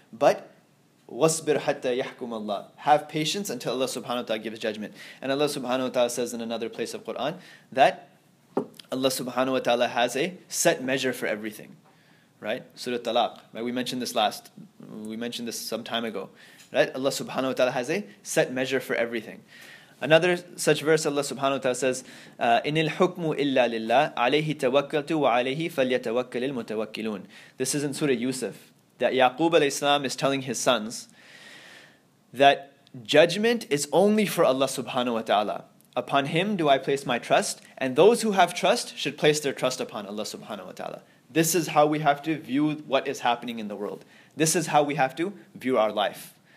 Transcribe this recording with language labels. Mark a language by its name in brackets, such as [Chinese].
[English] But [Arabic] wasbir hatta yahkum Allah. [English] Have patience until Allah subhanahu wa ta'ala gives judgment. And Allah subhanahu wa ta'ala says in another place of Quran that Allah subhanahu wa ta'ala has a set measure for everything. Right? Surah Talaq. Right? We mentioned this some time ago. Right? Allah subhanahu wa ta'ala has a set measure for everything. Another such verse, Allah subhanahu wa ta'ala says, [Arabic] إِنِ الْحُكْمُ إِلَّا لِلَّهِ عَلَيْهِ تَوَكَّلْتُ وَعَلَيْهِ فَلْيَتَوَكَّلِ الْمُتَوَكِّلُونَ. [English] This is in Surah Yusuf, that Yaqub alayhi salam is telling his sons that judgment is only for Allah subhanahu wa ta'ala. Upon Him do I place my trust, and those who have trust should place their trust upon Allah subhanahu wa ta'ala. This is how we have to view what is happening in the world. This is how we have to view our life.